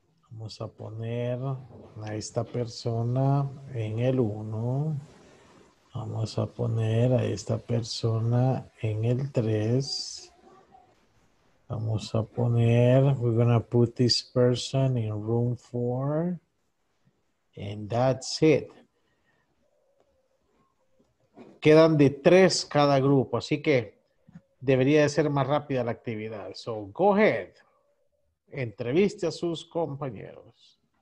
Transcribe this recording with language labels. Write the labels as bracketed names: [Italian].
[Spanish] Vamos a poner a esta persona en el 1. Vamos a poner a esta persona en el 3. Vamos a poner, [English] we're going to put this person in room 4. And that's it. [Spanish] Quedan de 3 cada grupo, así que debería de ser más rápida la actividad. [English] So, go ahead. [Spanish] Entreviste a sus compañeros.